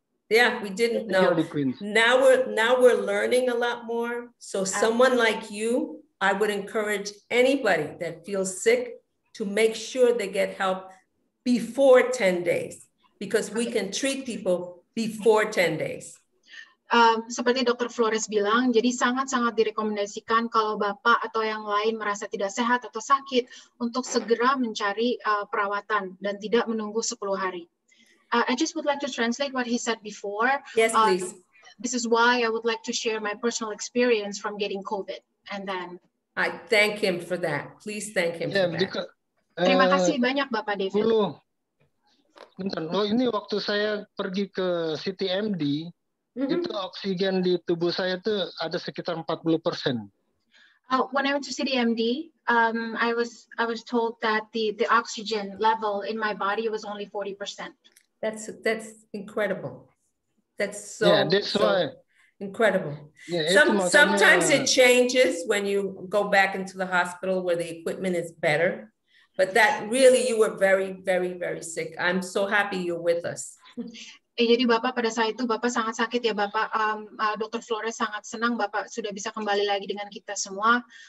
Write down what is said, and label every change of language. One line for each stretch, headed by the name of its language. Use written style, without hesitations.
English: Yeah, we didn't know. Now we're learning a lot more. So someone like you, I would encourage anybody that feels sick to make sure they get help before 10 days, because we can treat people before 10 days.
Indonesian: Seperti Dr. Flores bilang, jadi sangat-sangat direkomendasikan kalau Bapak atau yang lain merasa tidak sehat atau sakit untuk segera mencari perawatan dan tidak menunggu 10 hari.
English: I just would like to translate what he said before. Yes, please. This is why I would like to share my personal experience from getting COVID. And then I thank him for that. Please thank him for that. Because,
Indonesian: terima kasih banyak Bapak David. Ini waktu saya pergi ke CTMD, mm-hmm. itu oksigen di tubuh saya itu ada sekitar 40%.
English: When I went to CDMD, I was told that the oxygen level in my body was only 40%. That's incredible. That's so incredible. Yeah, sometimes it changes when you go back into the hospital where the equipment is better. But that really, you were very, very, very sick. I'm so happy you're with us.
Indonesian: Jadi Bapak pada saat itu Bapak sangat sakit ya Bapak. Dokter Flores sangat senang Bapak sudah bisa kembali lagi dengan kita semua.